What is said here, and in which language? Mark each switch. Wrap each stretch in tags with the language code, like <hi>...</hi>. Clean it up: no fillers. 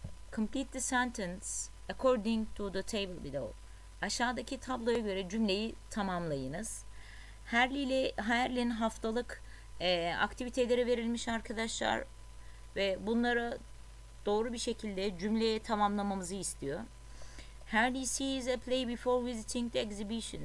<en>Complete the sentence according to the table below.</en> <tr>Aşağıdaki tabloya göre cümleyi tamamlayınız. Herlin haftalık aktiviteleri verilmiş arkadaşlar ve bunları doğru bir şekilde cümleye tamamlamamızı istiyor.</tr> <en>Herli sees a play before visiting the exhibition.</en>